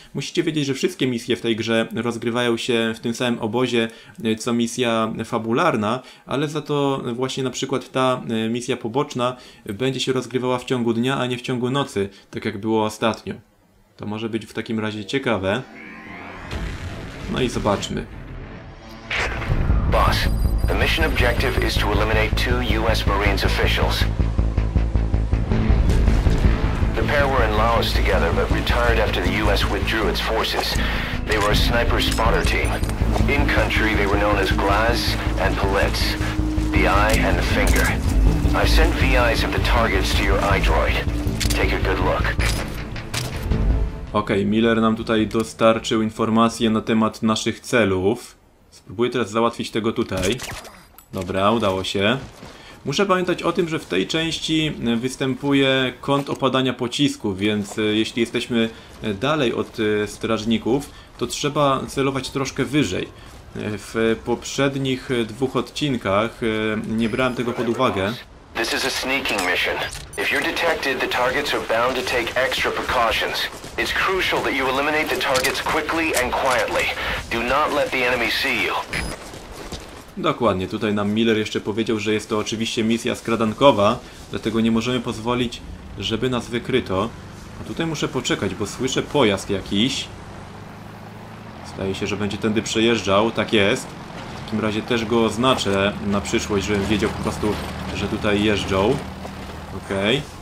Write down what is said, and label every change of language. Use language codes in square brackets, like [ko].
[pl] Musicie wiedzieć, że wszystkie misje w tej grze rozgrywają się w tym samym obozie, co misja fabularna, ale za to właśnie na przykład ta misja poboczna będzie się rozgrywała w ciągu dnia, a nie w ciągu nocy, tak jak było ostatnio. To może być w takim razie ciekawe. No i zobaczmy. [en] Boss, the mission objective is to eliminate 2 U.S. Marines officials. The pair were in Laos together, but retired after the U.S. withdrew its forces. They were a sniper spotter team. In country, they were known as Glaz and Palitz, the eye and the finger. I've sent VIs of the targets to your iDroid. Take a good look. [pl] Okej, Miller nam tutaj dostarczył informacje na temat naszych celów. Spróbuję teraz załatwić tego tutaj. Dobra, udało się. Muszę pamiętać o tym, że w tej części występuje kąt opadania pocisków, więc jeśli jesteśmy dalej od strażników, to trzeba celować troszkę wyżej. W poprzednich 2 odcinkach nie brałem tego pod uwagę. [en] This is a sneaking mission. If you're detected, the targets are bound to take extra precautions. It's crucial that you eliminate the targets quickly and quietly. Do not let the enemy see you. [pl] Dokładnie, tutaj nam Miller jeszcze powiedział, że jest to oczywiście misja skradankowa, dlatego nie możemy pozwolić, żeby nas wykryto. A tutaj muszę poczekać, bo słyszę pojazd jakiś. Zdaje się, że będzie tędy przejeżdżał, tak jest. W takim razie też go oznaczę na przyszłość, żebym wiedział po prostu, że tutaj jeżdżą. Okej.